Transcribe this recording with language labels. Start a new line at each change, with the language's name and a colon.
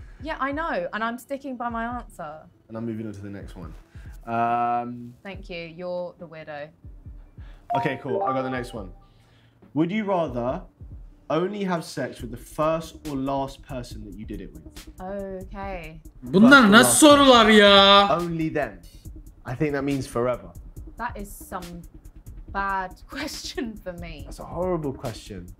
English: Yeah, I know. And I'm sticking by my answer. And I'm moving on to the next one. Thank you. You're the weirdo. Okay, cool. I got the next one. Would you rather only have sex with the first or last person that you did it with? Okay.
Turkish: Bunlar nasıl sorular ya?
English: Only them. I think that means forever. That is some bad question for me. That's a horrible question.